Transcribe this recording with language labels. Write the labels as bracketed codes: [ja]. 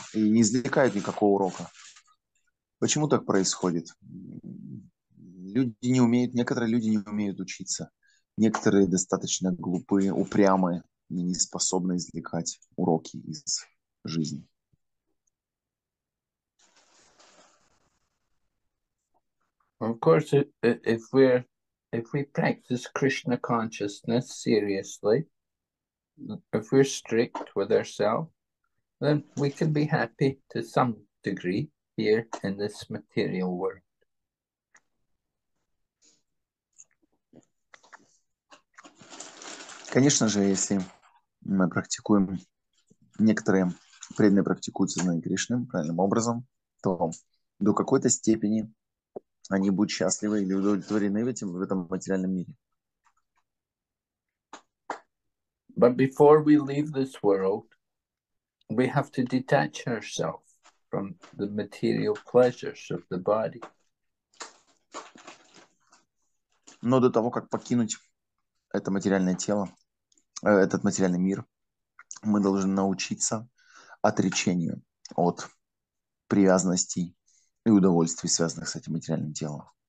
[ru] И не извлекают никакого урока. Почему так происходит? Некоторые люди не умеют учиться. Некоторые достаточно глупые, упрямые, не способны извлекать уроки из жизни. [en] Of course, if we practice Krishna consciousness seriously, if we're strict with ourselves, then we can be happy to some degree here in this material world. [ru] Конечно же, если мы практикуем, некоторые преданные практикуют сознание Кришны правильным образом, то до какой-то степени они будут счастливы или удовлетворены в этом материальном мире. [en] But before we leave this world, we have to detach ourselves from the material pleasures of the body. [ru] Но до того, как покинуть это материальное тело, этот материальный мир, мы должны научиться отречению от привязанностей и удовольствий, связанных с этим материальным телом.